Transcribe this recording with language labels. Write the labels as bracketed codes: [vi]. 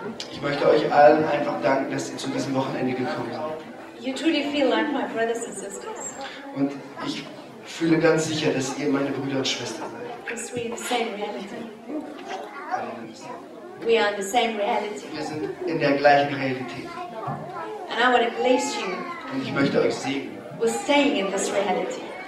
[de] Ich möchte euch allen einfach danken, dass ihr zu diesem Wochenende gekommen seid. [en] You truly feel like my brothers and sisters. [de] Und ich fühle ganz sicher, dass ihr meine Brüder und Schwestern seid. [en] Because we're in the same reality. We are in the same reality. [de] Wir sind in der gleichen Realität. [en] And I want to bless you. [de] Und ich möchte euch segnen. [en] With staying in this reality.